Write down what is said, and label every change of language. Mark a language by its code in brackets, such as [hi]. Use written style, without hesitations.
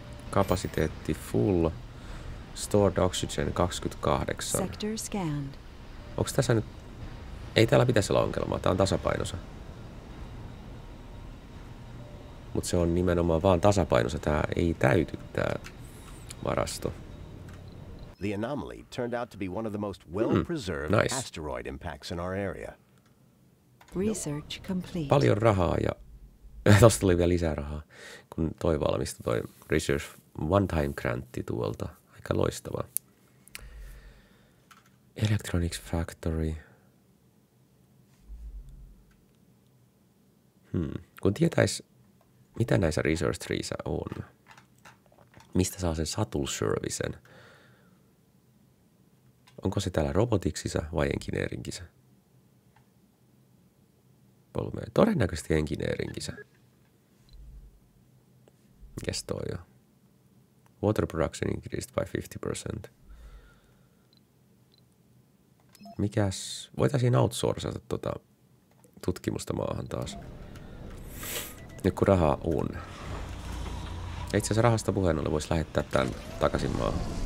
[en] Kapasiteetti full. Stored oxygen 28. Sector scanned. [fi] Onks tässä nyt... Ei täällä pitäisi olla ongelmaa, tää on tasapainossa. Mut se on nimenomaan vaan tasapainossa, tää ei täyty tää varasto. [en] The anomaly turned out to be one of the most well-preserved asteroid impacts in our area. Research complete. [fi] Paljon rahaa ja tosta tuli vielä lisää rahaa, kun toi valmistui toi research one-time grantti tuolta. Aika loistavaa. [en] Electronics Factory. [fi] Kun tietäis, mitä näissä resource treesä on, mistä saa sen shuttle servicen? Onko se täällä robotiksissa vai engineeringissä? Todennäköisesti engineeringissä. Mikäs toi on? [en] Water production increased by 50%. [fi] Mikäs? Voitaisiin outsourcata tuota tutkimusta maahan taas. Nyt kun rahaa on. Itse asiassa rahasta puheen ollen voisi lähettää tämän takaisin maahan.